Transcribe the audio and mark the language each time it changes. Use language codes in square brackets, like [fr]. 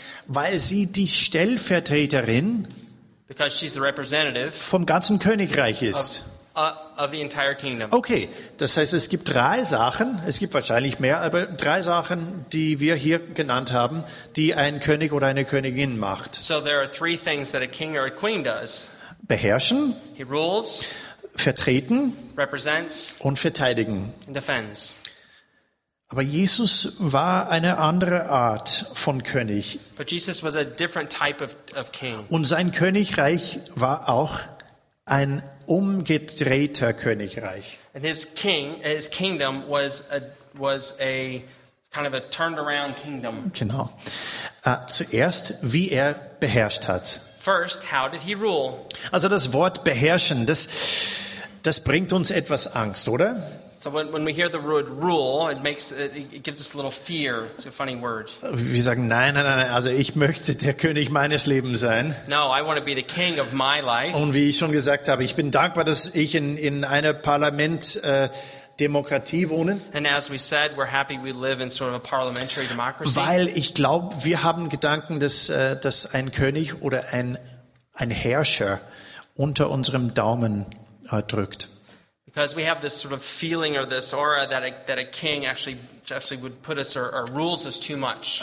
[de] Weil sie die Stellvertreterin [en] because she's the representative [de] vom ganzen Königreich ist. [en] Of the entire kingdom. [de] Okay, das heißt, es gibt drei Sachen, es gibt wahrscheinlich mehr, aber drei Sachen, die wir hier genannt haben, die ein König oder eine Königin macht. [en] So there are three things that a king or a queen does. [de] Beherrschen, [en] he rules, [de] vertreten, [en] represents, [de] und verteidigen. [en] And defends. [de] Aber Jesus war eine andere Art von König. [en] But Jesus was a different type of king. [de] Und sein Königreich war auch ein umgedrehter Königreich. [en] And his kingdom was a kind of a turned around kingdom. [de] Genau. Zuerst, wie er beherrscht hat. [en] First, how did he rule? [de] Also das Wort beherrschen, das bringt uns etwas Angst, oder? [en] So when we hear the word rule, it gives us a little fear. It's a funny word. [de] Wir sagen nein, also ich möchte der König meines Lebens sein. [en] No, I want to be the king of my life. [de] Und wie ich schon gesagt habe, ich bin dankbar, dass ich in einer Parlament Demokratie wohne. [en] And as we said, we're happy we live in sort of a parliamentary democracy. [de] Weil ich glaube, wir haben Gedanken, dass ein König oder ein Herrscher unter unserem Daumen drückt. [en] Because we have this sort of feeling or this aura that a king actually would put us or rules us too much.